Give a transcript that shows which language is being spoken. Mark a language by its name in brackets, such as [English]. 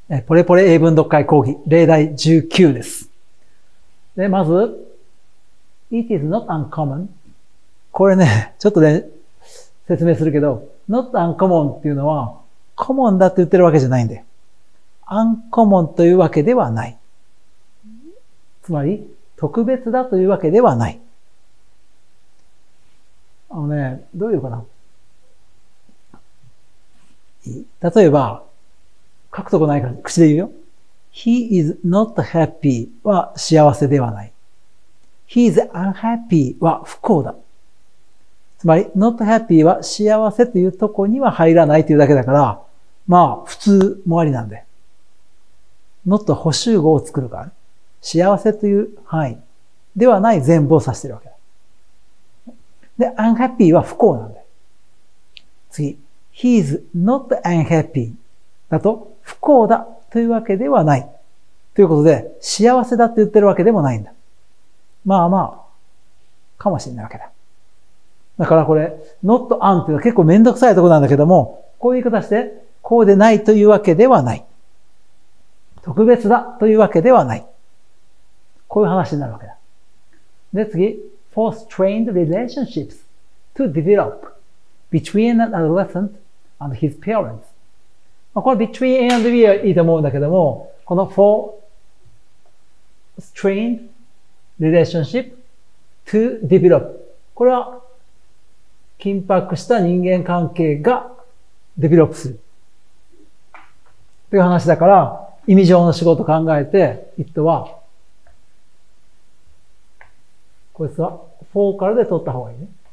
[Japanese] ポレポレ英文読解講義、例題19です。で、まず、 [English] It is not uncommon。 [Japanese] これね、ちょっとね、説明するけど、not uncommon っていうのは、common だって言ってるわけじゃないんで、uncommon というわけではない。つまり、特別だというわけではない。あのね、どういうのかな。例えば、書くとこないから口で言うよ。 [English] He is not happy [Japanese] は幸せではない。 [English] He is unhappy [Japanese] は不幸だ。つまり、not happy は幸せというとこには入らないというだけだから、まあ、普通もありなんで。 not は補集語を作るから、ね、幸せという範囲ではない全部を指しているわけだ。で、unhappy は不幸なんで。次。 [English] He is not unhappy [Japanese] だと、不幸だというわけではない。ということで、幸せだって言ってるわけでもないんだ。まあまあ、かもしれないわけだ。だからこれ、not un っていうのは結構めんどくさいところなんだけども、こういう言い方して、こうでないというわけではない。特別だというわけではない。こういう話になるわけだ。で、次、 [English] for strained relationships to develop between an adolescent and his parents. [Japanese] これ between A and B はいいと思うんだけども、この for strained relationship to develop、 これは緊迫した人間関係がデベロップするという話だから、意味上の仕事を考えて、 it はこいつは for からで取った方がいいね。